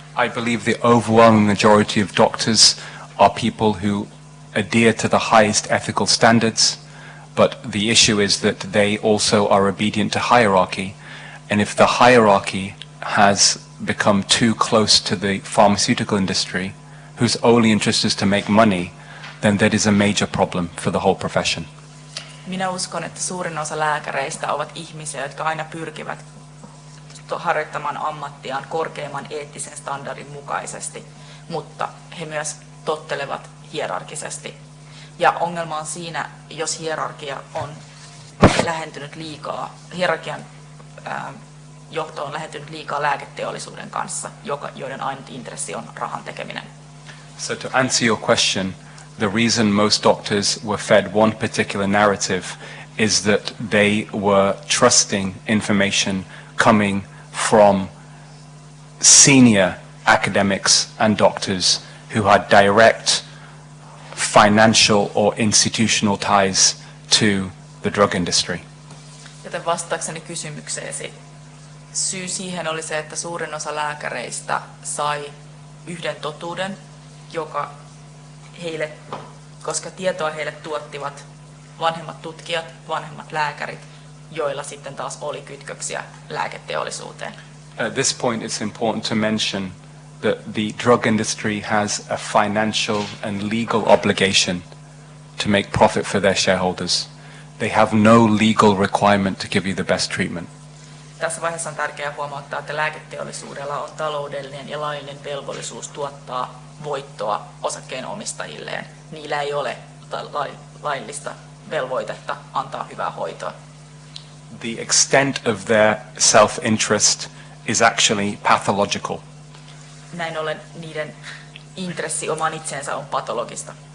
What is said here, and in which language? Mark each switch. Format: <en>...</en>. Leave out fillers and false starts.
<en>I believe the overwhelming majority of doctors are people who adhere to the highest ethical standards, but the issue is that they also are obedient to hierarchy, and if the hierarchy has become too close to the pharmaceutical industry, whose only interest is to make money, then that is a major problem for the whole profession.</en> <fi>Minä uskon, että suurin osa lääkäreistä ovat ihmisiä, jotka aina pyrkivät harjoittamaan ammattiaan korkeimman eettisen standardin mukaisesti, mutta he myös tottelevat hierarkisesti. Ja ongelma on siinä, jos hierarkia on lähentynyt liikaa, hierarkian johto on lähentynyt liikaa lääketeollisuuden kanssa, joiden ainut intressi on rahan tekeminen.</fi> <en>So to answer your question, the reason most doctors were fed one particular narrative is that they were trusting information coming from senior academics and doctors who had direct financial or institutional ties to the drug industry.</en> <fi>Joten vastaakseni kysymykseesi, syy siihen oli se, että suurin osa lääkäreistä sai yhden totuuden, joka heille, koska tietoa heille tuottivat vanhemmat tutkijat, vanhemmat lääkärit, joilla sitten taas oli kytköksiä lääketeollisuuteen.</fi> <en>At this point it's important to mention that the drug industry has a financial and legal obligation to make profit for their shareholders. They have no legal requirement to give you the best treatment.</en> <fi>Tässä vaiheessa on tärkeää huomauttaa, että lääketeollisuudella on taloudellinen ja laillinen velvollisuus tuottaa voittoa osakkeenomistajilleen. Niillä ei ole laillista velvoitetta antaa hyvää hoitoa.</fi> <en>The extent of their self-interest is actually pathological.</en> <fi>Näin ollen niiden intressi oman itseensä on patologista.</fi>